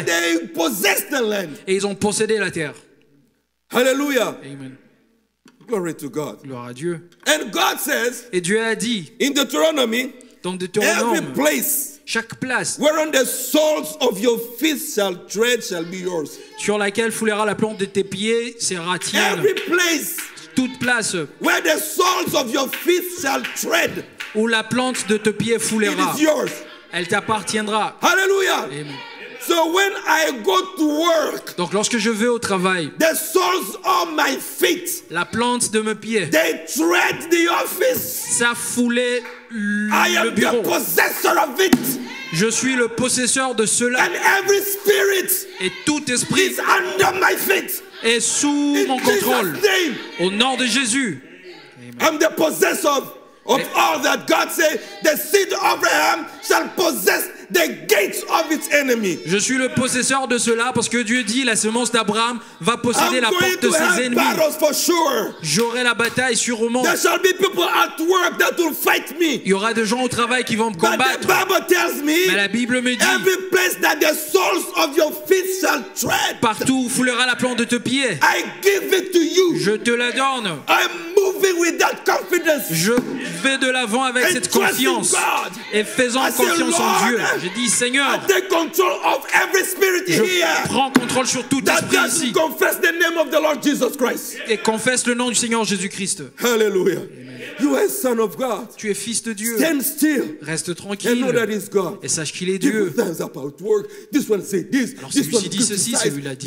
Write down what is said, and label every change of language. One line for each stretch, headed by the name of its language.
English: And they possessed the land.
French: Et ils ont possédé la terre.
English: Hallelujah.
French: Amen.
English: Glory to God.
French: Gloire à Dieu.
English: And God says,
French: et Dieu a dit,
English: in Deuteronomy,
French: dans Deutéronome,
English: every place,
French: chaque place,
English: whereon the soles of your feet shall tread, shall be yours.
French: Sur laquelle foulera la plante de tes pieds sera tienne.
English: Every place,
French: toute place,
English: where the soles of your feet shall tread,
French: où la plante de tes pieds foulera,
English: it is yours.
French: Elle t'appartiendra.
English: Hallelujah.
French: Amen.
English: So when I go to work,
French: donc lorsque je vais au travail,
English: the soles of my feet,
French: la plante de mes pieds,
English: they tread the office,
French: ça foulait le
English: I am
French: bureau.
English: The possessor of it.
French: Je suis le possesseur de cela.
English: And every spirit
French: et tout esprit
English: is under my feet.
French: Est sous
English: in
French: mon contrôle.
English: Name.
French: Au nom de Jésus.
English: Amen. I'm the possessor of all that God said, the seed of Abraham shall possess the gates of its enemy.
French: Je suis le possesseur de cela parce que Dieu dit la semence d'Abraham va posséder la porte de ses ennemis.
English: I'm going to have battles for sure.
French: J'aurai la bataille sûrement.
English: There shall be people at work that will fight me.
French: Il y aura des gens au travail qui vont me combattre.
English: But the Bible tells me,
French: mais la Bible me dit,
English: every place that the soles of your feet shall tread,
French: partout où foulera la plante de tes pieds,
English: I give it to you.
French: Je te la donne.
English: I'm moving with that confidence.
French: Je vais de l'avant avec
English: and
French: cette confiance
English: God.
French: Et faisant
English: I
French: confiance
English: say, Lord,
French: en Dieu. J'ai dit, Seigneur,
English: I take control of every spirit
French: je
English: here,
French: prends contrôle sur tout
English: that
French: esprit ici
English: confess the name of the Lord Jesus Christ.
French: Et confesse le nom du Seigneur Jésus-Christ.
English: Hallelujah. You are son of God.
French: Tu es fils de Dieu.
English: Stand still.
French: Reste tranquille.
English: And know that is God.
French: Et sache qu'il est Dieu.
English: Things about work. This one say this.
French: Alors celui-ci dit ceci, celui-là dit